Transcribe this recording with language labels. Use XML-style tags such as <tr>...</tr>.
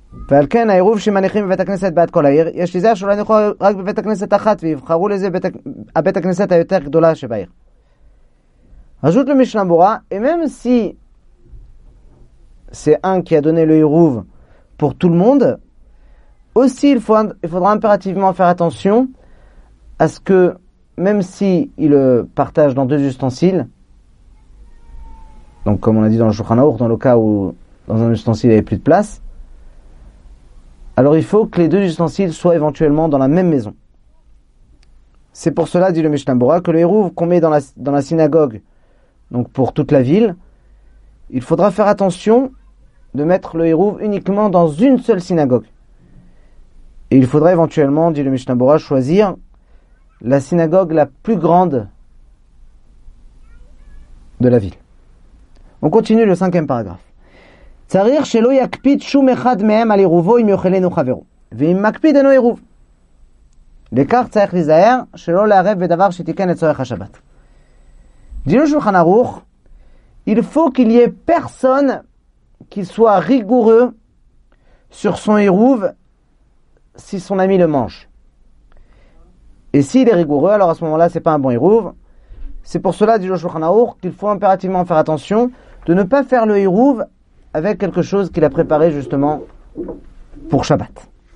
<he>ועלכן העירוב שמניחים בבית הכנסת בעד כל העיר, יש לזה שאולי נכון רק בבית הכנסת אחת, ויבחרו לזה בית הכנסת היותר גדולה שבעיר. רשות למשנה ברורה,</he> <fr>et même si c'est un qui a donné le עירוב pour tout le monde, aussi il faudra impérativement faire attention à ce que, même si il le partage dans deux ustensiles, donc comme on a dit dans le Shulchan Aruch, dans le cas où dans un ustensile il n'y avait plus de place, alors il faut que les deux ustensiles soient éventuellement dans la même maison. C'est pour cela, dit le Mishnah Berurah, que le hirouv qu'on met dans la synagogue, donc pour toute la ville, il faudra faire attention de mettre le hirouv uniquement dans une seule synagogue. Et il faudra éventuellement, dit le Mishnah Berurah, choisir la synagogue la plus grande de la ville. On continue le cinquième paragraphe.</fr> <he>צריך שלא יקפיד שום אחד מהם על עירובו אם יאכלנו חברו. ואם מקפיד אינו עירוב. לכך צריך להיזהר שלא לערב בדבר שתיקן את צורך השבת. דינו שולחן ערוך,</he> <fr>il faut qu'il y ait personne qui soit rigoureux sur son עירוב si son ami le mange. Et s'il est rigoureux, alors à ce moment-là, c'est pas un bon עירוב. C'est pour cela, dit le Shulchan Aruch, qu'il faut impérativement faire attention de ne pas faire le עירוב avec quelque chose qu'il a préparé justement pour Shabbat.</fr>